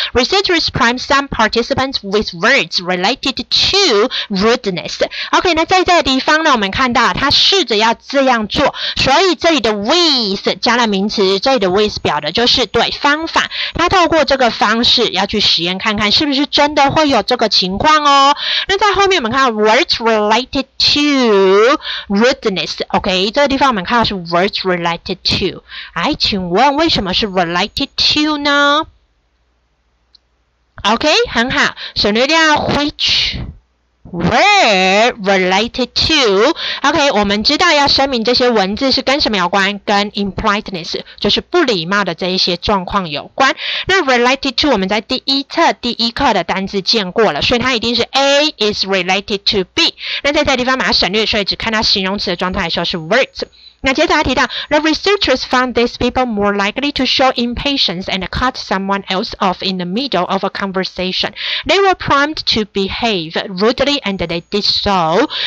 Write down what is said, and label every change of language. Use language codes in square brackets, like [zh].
[en] Researchers prime some participants with words related to rudeness. [zh] OK, 那在这个地方呢，我们看到他试着要这样做，所以这里的 with 加了名词，这里的 with 表的就是对方法，他透过这个方式要去实验看看是不是真的会有这个情况哦。那在后面我们看到 [en] words related to rudeness. [zh] OK, 这个地方我们看到是 [en] words related to。 [zh] 哎，请问为什么是 related to 呢？ OK, 很好，省略掉 [en] which were related to。 [zh] OK, 我们知道要声明这些文字是跟什么有关，跟 impoliteness 就是不礼貌的这一些状况有关。那 related to 我们在第一册第一课的单字见过了，所以它一定是 [en] A is related to B。 [zh] 那在这地方把它省略，所以只看到形容词的状态的时候是 words。那接着他提到 [en] The researchers found these people more likely to show impatience and cut someone else off in the middle of a conversation. They were primed to behave rudely and they did so.